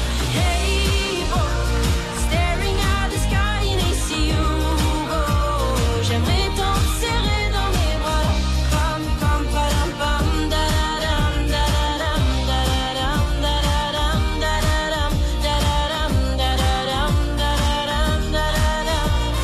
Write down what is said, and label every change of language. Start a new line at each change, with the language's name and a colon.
English: Hey boy, staring at the sky and I see you.
French: J'aimerais t'en serrer dans mes bras. Pam pam pam pam da da dam da da dam da da dam da da dam da da dam da da dam da da dam da da dam da da dam.